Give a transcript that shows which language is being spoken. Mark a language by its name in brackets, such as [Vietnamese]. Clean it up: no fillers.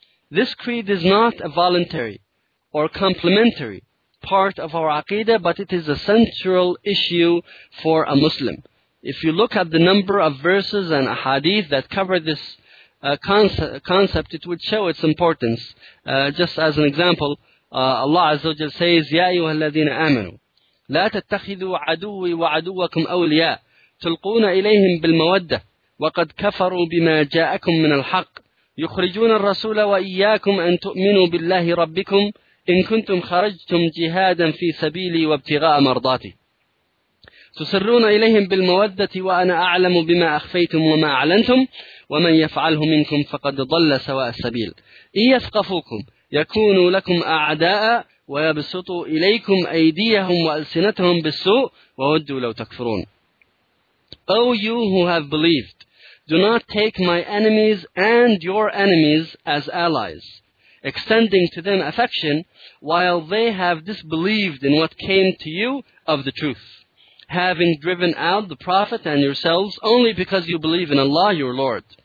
[English] This creed is not a voluntary or complementary part of our aqidah, but it is a central issue for a Muslim. If you look at the number of verses and ahadith that cover this concept, it would show its importance. Just as an example, Allah Azza wa Jalla says, [Arabic] يَا أَيُّهَا الَّذِينَ آمَنُوا لَا تَتَّخِذُوا عَدُوِّي وَعَدُوَّكُمْ أَوْلِيَاءَ تُلْقُونَ إِلَيْهِمْ بِالْمَوَدَّةِ وَقَدْ كَفَرُوا بِمَا جَاءَكُمْ مِنَ الْحَقِّ يُخْرِجُونَ الرَّسُولَ وَإِيَّاكُمْ أَن تُؤْمِنُوا بِاللَّهِ رَبِّكُمْ إِن كُنتُمْ خَرَجْتُمْ جِهَادًا فِي سَبِيلِي وَابْتِغَاءَ مَرْضَاتِي تُسِرُّونَ إِلَيْهِمْ بِالْمَوَدَّةِ وَأَنَا أَعْلَمُ بِمَا أَخْفَيْتُمْ وَمَا أَعْلَنْتُمْ وَمَن يَفْعَلْهُ مِنكُمْ فَقَدْ ضَلَّ سَوَاءَ السَّبِيلِ إِن يَثْقَفُوكُمْ يَكُونُوا لَكُمْ أَعْدَاءً وَيَبْسُطُوا إِلَيْكُمْ أَيْدِيَهُمْ وَأَلْسِنَتَهُمْ بِالسُّوءِ وَوَدُّوا لَوْ تَكْفُرُونَ. [English] O you who have believed, do not take my enemies and your enemies as allies, extending to them affection while they have disbelieved in what came to you of the truth, having driven out the Prophet and yourselves only because you believe in Allah your Lord.